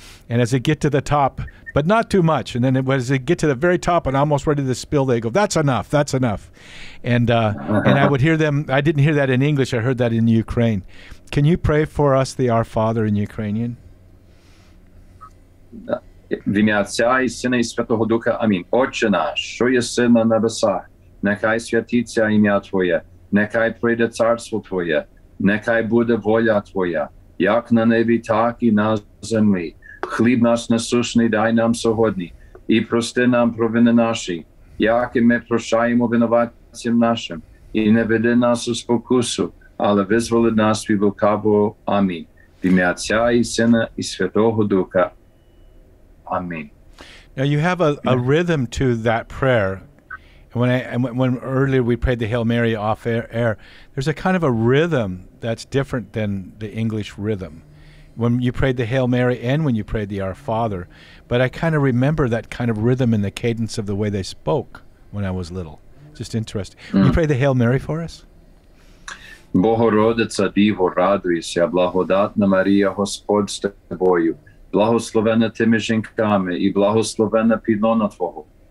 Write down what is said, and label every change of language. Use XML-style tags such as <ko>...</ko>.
<en>And as it get to the top, but not too much. And then as it get to the very top and almost ready to spill, they go, that's enough, that's enough. And and I would hear them. I didn't hear that in English. I heard that in Ukraine. Can you pray for us, the Our Father, in Ukrainian?</en> <uk>В ім'я Отця і Сина і Святого Духа. Амінь. Отче наш, що єси на небесах, нехай святиться ім'я Твоє, нехай прийде царство Твоє, нехай буде воля Твоя, як на небі, так і на землі. Хліб наш насущний дай нам сьогодні, і прости нам провини наші, як і ми прощаємо винуватцям нашим, і не веди нас у спокусу, але визволи нас від лукавого. Амінь. В ім'я Отця і Сина і Святого Духа. Амінь.</uk> <en>Now you have a rhythm to that prayer. When earlier we prayed the Hail Mary off air, there's a kind of a rhythm that's different than the English rhythm. When you prayed the Hail Mary and when you prayed the Our Father. But I kind of remember that kind of rhythm and the cadence of the way they spoke when I was little. Just interesting. Mm-hmm. Will you pray the Hail Mary for us?</en> <uk>Богородиця, Діво, радуйся, благодатна Марія, Господь з тобою, благословена ти між жінками і благословена плідна твого.</uk>